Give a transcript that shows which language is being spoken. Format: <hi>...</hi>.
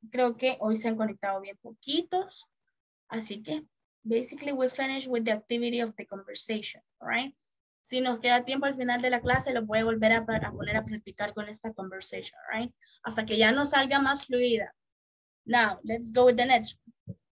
<es>Creo que hoy se han conectado bien poquitos. Así que,</es> <en>basically, we finish with the activity of the conversation, all right?</en> <es>Si nos queda tiempo al final de la clase, lo voy a volver a poner a practicar con esta conversation,</es> <en>all right?</en> <es>Hasta que ya no salga más fluida.</es> <en>Now, let's go with the next one.</en>